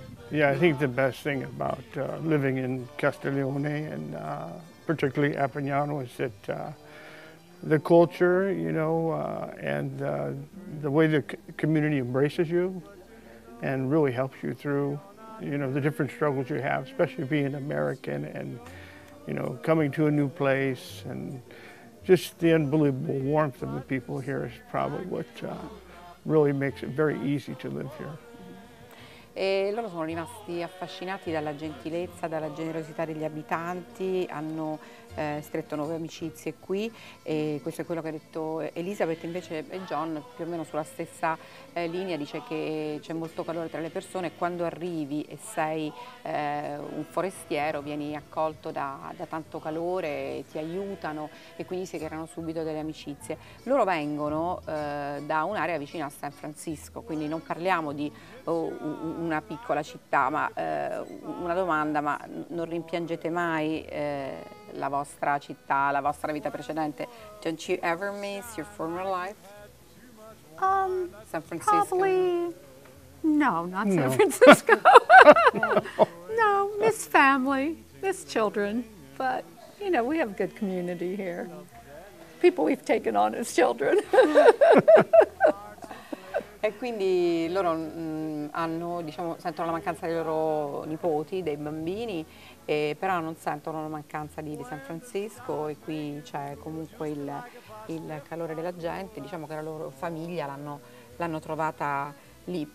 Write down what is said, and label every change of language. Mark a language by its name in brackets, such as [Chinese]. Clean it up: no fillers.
[English] yeah, I think the best thing about living in Castiglione and particularly Appignano is that the culture, you know, and the way the community embraces you and really helps you through, you know, the different struggles you have, especially being American and, you know, coming to a new place. And just the unbelievable warmth of the people here is probably what really makes it very easy to live here. [Italian] e loro sono rimasti affascinati dalla gentilezza, dalla generosità degli abitanti, hanno stretto nuove amicizie qui, e questo è quello che ha detto Elisabeth. Invece John, più o meno sulla stessa linea, dice che c'è molto calore tra le persone, quando arrivi e sei un forestiero vieni accolto da tanto calore, ti aiutano e quindi si creano subito delle amicizie. Loro vengono da un'area vicina a San Francisco, quindi non parliamo di una piccola città, ma una domanda, ma non rimpiangete mai la vostra città, la vostra vita precedente? [English] Don't you ever miss your former life? San Francisco? Probably, no, not San Francisco. No, miss family, miss children, but you know, we have a good community here. People we've taken on as children. [Italian] E quindi loro hanno, diciamo, sentono la mancanza dei loro nipoti, dei bambini, e però non sentono la mancanza di San Francisco, e qui c'è comunque il calore della gente, diciamo che la loro famiglia l'hanno trovata lì.